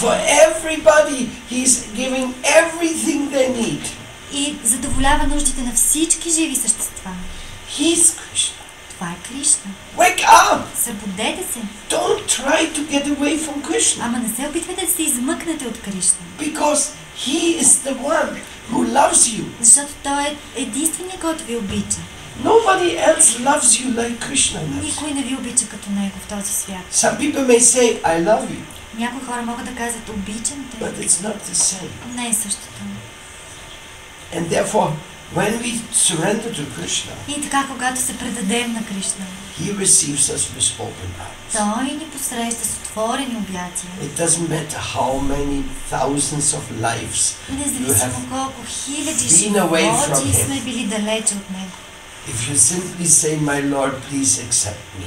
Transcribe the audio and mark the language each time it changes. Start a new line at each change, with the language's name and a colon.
English: For everybody, he's giving everything they need.
Bulgarian: И задоволява нуждите на всички живи същества.
English: He's Krishna.
Bulgarian: Това е Кришна.
English: Wake up!
Bulgarian: Събудете се.
English: Don't try to get away from Krishna.
Bulgarian: Ама не се опитвайте да се измъкнете от Кришна.
English: Because he is the one who loves you.
Bulgarian: Защото той е единственият, който ви обича.
English: Nobody else loves you like Krishna loves.
Bulgarian: Никой не ви обича като него в този свят.
English: Some people may say, I love you.
Bulgarian: Някои хора могат да казват, обичам те.
English: But it's not the same.
Bulgarian: Не е същото.
English: And therefore, when we surrender to Krishna,
Bulgarian: и така, когато се предадем на Кришна,
English: he receives us with open arms.
Bulgarian: Той ни посреща с отворени обятия.
English: It doesn't matter how many thousands of lives you have been away from him.
Bulgarian: Сме били далеч от него.
English: If you simply say, my Lord, please accept me.